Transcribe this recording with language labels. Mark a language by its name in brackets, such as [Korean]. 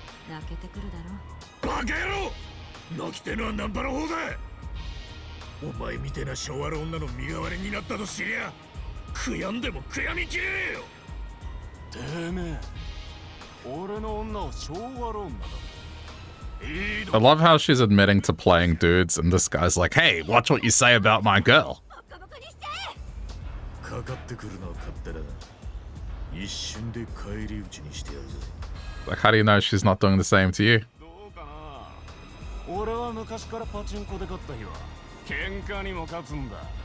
[Japanese] 泣けてくるだろう。バカ野郎、泣きてるのはナンバの方だ。お前みてえな小悪女の身代わりになったと知りゃ悔やんでも悔やみきれねえよ。てめえ、俺の女は小悪女だ。 [English] I love how she's admitting to playing dudes and this guy's like, hey, watch what you say about my girl. [Japanese] かかってくるのは勝手だ。一瞬で帰り討ちにしてやるぜ。 [English] Like, how do you know she's not doing the same to you? [Japanese] どうかな。俺は昔からパチンコで勝った日は喧嘩にも勝つんだ。